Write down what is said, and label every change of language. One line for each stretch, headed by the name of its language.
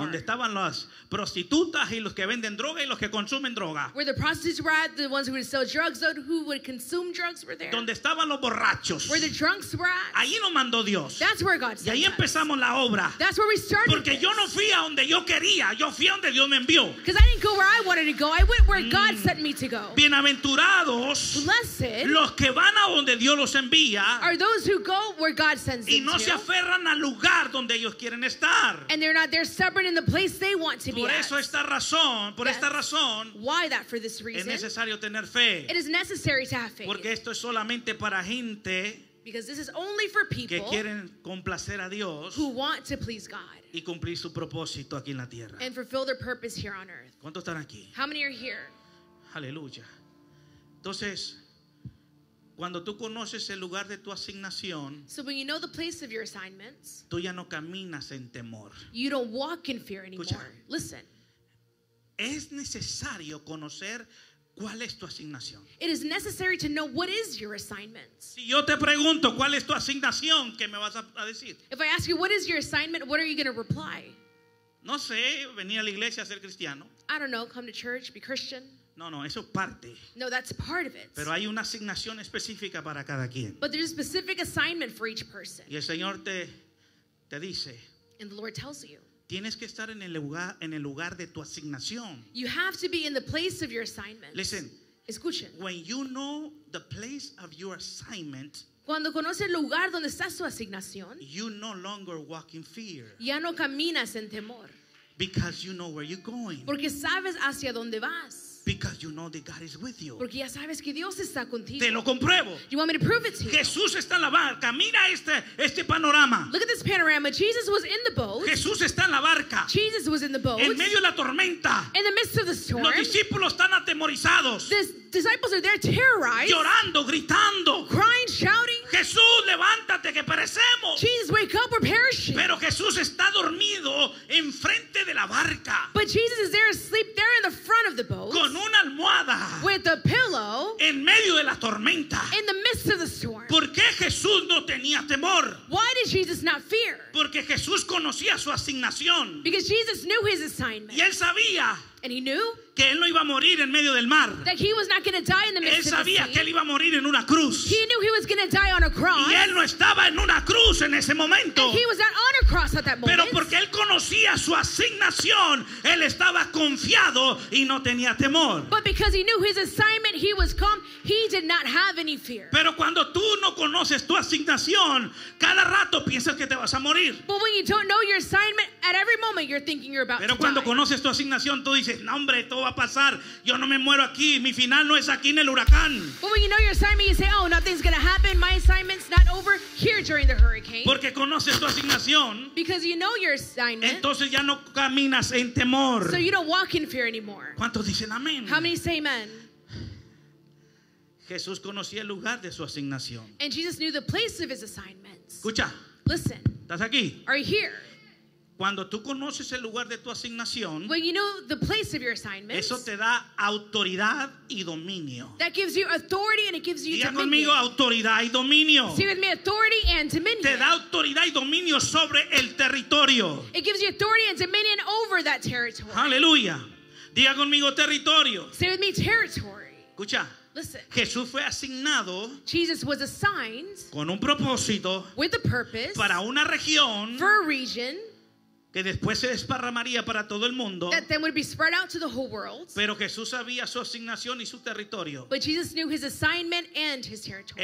Spanish: Donde estaban las prostitutas y los que venden droga y los que consumen droga.
English: Where the prostitutes were at, the ones who would sell drugs, those who would consume drugs were there.
Spanish: Donde estaban los borrachos.
English: Where the drunks were at.
Spanish: Ahí nos mandó Dios.
English: That's where God sent us.
Spanish: Y ahí empezamos la obra.
English: That's where we started.
Spanish: Porque yo no fui a donde yo quería, yo fui a donde Dios me envió.
English: Because I didn't go where I wanted to go, I went where God sent me to go.
Spanish: Bienaventurados.
English: Blessed.
Spanish: Los que van a donde Dios los envía.
English: Are those who go where God sends
Spanish: y no
English: them
Spanish: se aferran
English: to
Spanish: al lugar donde ellos quieren estar.
English: And they're not, they're stubborn in the place they want to
Spanish: por
English: be at.
Spanish: Eso esta razón, por yes esta razón,
English: why that for this reason
Spanish: es necesario tener fe.
English: It is necessary to have faith.
Spanish: Porque esto es solamente para gente,
English: because this is only for people
Spanish: que quieren complacer a Dios,
English: who want to please God
Spanish: y cumplir su propósito aquí en la tierra,
English: and fulfill their purpose here on earth.
Spanish: ¿Cuántos están aquí?
English: How many are here?
Spanish: Aleluya. Entonces, cuando tú conoces el lugar de tu asignación,
English: so when you know the place of your assignments,
Spanish: tú ya no caminas en temor.
English: You don't walk in fear anymore.
Spanish: Escucha.
English: Listen.
Spanish: Es necesario conocer cuál es tu asignación.
English: It is necessary to know what is your assignment.
Spanish: Si yo te pregunto cuál es tu asignación, ¿qué me vas a decir?
English: If I ask you what is your assignment, what are you going to reply?
Spanish: No sé, venir a la iglesia a ser cristiano.
English: I don't know, come to church, be Christian.
Spanish: No, no, eso es parte.
English: No, that's part of it.
Spanish: Pero hay una asignación específica para cada quien.
English: But there's a specific assignment for each person.
Spanish: Y el Señor te dice.
English: And the Lord tells you.
Spanish: Tienes que estar en el lugar de tu asignación.
English: You have to be in the place of your assignment. Listen.
Spanish: Escuchen.
English: When you know the place of your assignment.
Spanish: Cuando conoces el lugar donde está su asignación.
English: You no longer walk in fear.
Spanish: Ya no caminas en temor.
English: Because you know where you're going.
Spanish: Porque sabes hacia dónde vas.
English: Because you know that God is with you.
Spanish: Porque ya sabes que Dios está contigo. Te lo compruebo.
English: You want me to prove it to you?
Spanish: Jesús está en la barca. Mira este panorama.
English: Look at this panorama. Jesus was in the boat.
Spanish: Jesús está en la barca.
English: Jesus was in the boat.
Spanish: En medio de la tormenta.
English: In the midst of the storm.
Spanish: Los discípulos están atemorizados.
English: The disciples are there terrorized.
Spanish: Llorando, gritando.
English: Crying, shouting.
Spanish: Jesús, levántate, que perecemos.
English: Jesus, wake up, we're perishing.
Spanish: Pero Jesús está dormido en frente de la barca.
English: But Jesus is there asleep there in the front of the boat.
Spanish: Con una almohada.
English: With a pillow.
Spanish: En medio de la tormenta.
English: In the midst of the storm.
Spanish: ¿Por qué Jesús no tenía temor?
English: Why did Jesus not fear?
Spanish: Porque Jesús conocía su asignación.
English: Because Jesus knew his assignment.
Spanish: Y él sabía.
English: And he knew
Spanish: que él no iba a morir en medio del mar.
English: That he was not going to die in the midst of the sea.
Spanish: Él sabía que él iba a morir en una cruz.
English: He knew he was going to die on a cross.
Spanish: Y él no estaba en una cruz en ese momento.
English: And he was not on a cross at that moment.
Spanish: Pero porque él conocía su asignación, él estaba confiado y no tenía temor.
English: But because he knew his assignment, he was calm. He did not have any fear.
Spanish: Pero cuando tú no conoces tu asignación, cada rato piensas que te vas a morir.
English: But when you don't know your assignment, at every moment you're thinking you're about to die.
Spanish: Pero cuando conoces tu asignación, tú dices, no hombre, todo va a pasar, yo no me muero aquí, mi final no es aquí en el huracán.
English: But when you know your assignment, you say, oh, nothing's going to happen, my assignment's not over here during the hurricane.
Spanish: Porque conoces tu asignación.
English: Because you know your assignment.
Spanish: Entonces ya no caminas en temor.
English: So you don't walk in fear anymore.
Spanish: ¿Cuántos dicen amén?
English: How many say amen?
Spanish: Jesús conocía el lugar de su asignación.
English: And Jesus knew the place of his assignments.
Spanish: Escucha.
English: Listen.
Spanish: ¿Estás aquí?
English: Are you here?
Spanish: Cuando tú conoces el lugar de tu asignación,
English: when you know the place of your assignments,
Spanish: eso te da autoridad y dominio.
English: That gives you authority and it gives you dominion.
Spanish: Diga conmigo, autoridad y dominio.
English: See with me, authority and dominion.
Spanish: Te da autoridad y dominio sobre el territorio.
English: It gives you authority and dominion over that territory.
Spanish: Aleluya. Diga conmigo, territorio.
English: See with me, territory.
Spanish: Escucha.
English: Listen.
Spanish: Jesús fue asignado.
English: Jesus was assigned.
Spanish: Con un propósito.
English: With a purpose.
Spanish: Para una región.
English: For a region.
Spanish: Que después se desparramaría para todo el mundo.
English: That then would be spread out to the whole world.
Spanish: Pero Jesús sabía su asignación y su territorio.
English: But Jesus knew his assignment and his territory.